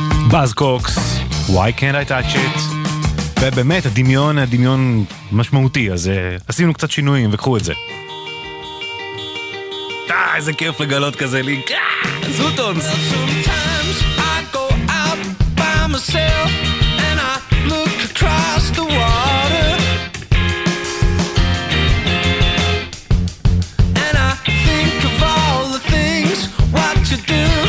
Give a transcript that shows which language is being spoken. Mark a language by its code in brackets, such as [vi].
[en] בז קוקס, Why Can't I Touch It? [he] ובאמת, הדמיון משמעותי, אז עשינו קצת שינויים, וקחו את זה. איזה כיף לגלות כזה לי. זוטונס. [en] Sometimes I go out by myself and I look across the water and I think of all the things what you do.